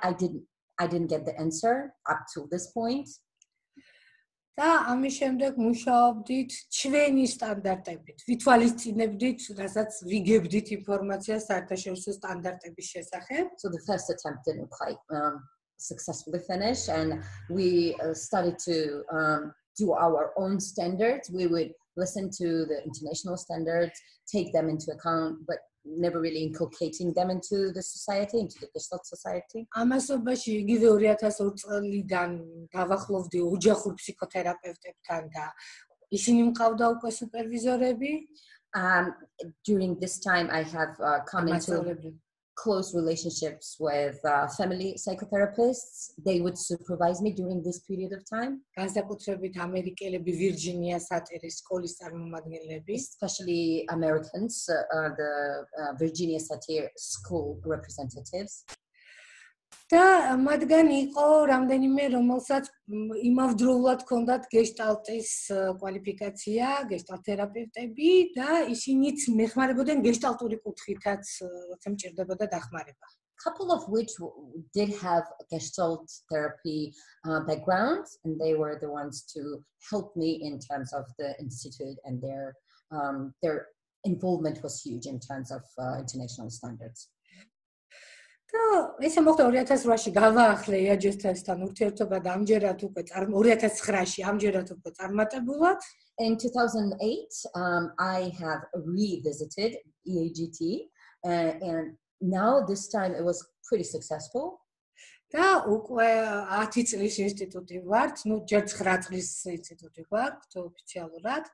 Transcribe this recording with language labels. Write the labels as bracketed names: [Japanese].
[English] I didn't get the answer up to this point. [Georgian] Да, [Russian] а мы [Georgian] შემდეგ მუშაობდით ჩვენი სტანდარტებით. ვითვალისწინებდით, რასაც ვიგებდით ინფორმაცია საერთაშორისო სტანდარტების შესახებ. [English] So the first attempt didn't quite successfully finish, and we started to do our own standards. We would listen to the international standards, take them into account, but never really inculcating them into the society, into the Gestalt society. [Georgian] ამასობაში იგივე 2002 წლიდან დავახლოვდი ოჯახურ ფსიქოთერაპევტებთან და ისინი მყავდა უკვე სუპერვიზორები. [English] During this time I have come into close relationships with family psychotherapists. They would supervise me during this period of time. [Georgian] განსაკუთრებით ამერიკელები ვირჯინია სატერის სკოლის წარმომადგენლები, [English] especially Americans, the Virginia Satir school representatives. [Georgian] Და მათგან იყო რამდენიმე, რომელსაც იმავდროულად ჰქონდათ Gestalt-ის კვალიფიკაცია, Gestalt თერაპევტები და ისინიც მეხმარებოდნენ Gestalt-ური კუთხითაც, როცა მჭირდებოდა დახმარება. [English] Couple of which did have a Gestalt therapy background, and they were the ones to help me in terms of the institute, and their involvement was huge in terms of international standards. [Georgian] Да, ესე მოხდა 2008-ში გავაახლე AJT-სთან ურთიერთობა და ამჯერად უკვე 2009-ში ამჯერად უკვე წარმატებულად. [English] In 2008, I have revisited EAGT and now this time it was pretty successful. [Georgian] Да, უკვე 10 წლის ინსტიტუტი ვართ, ну, ჯერ 9 წლის ინსტიტუტი ვართ ოფიციალურად.